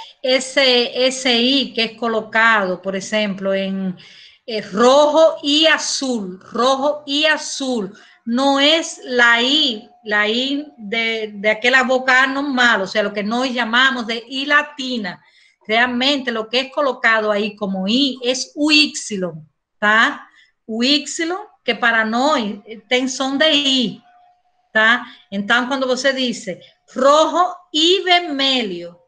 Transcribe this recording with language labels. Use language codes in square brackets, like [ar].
[pt] Esse I que é colocado, por exemplo, em rojo e azul, rojo e azul, não é la I de aquela vocal normal, ou seja, o que nós chamamos de I latina. [es] Realmente, lo que es colocado ahí como I es uíxilon, ¿tá? [pt] Uíxilon, que para nós tem som de I, ¿tá? Então, quando você dice rojo e vermelho,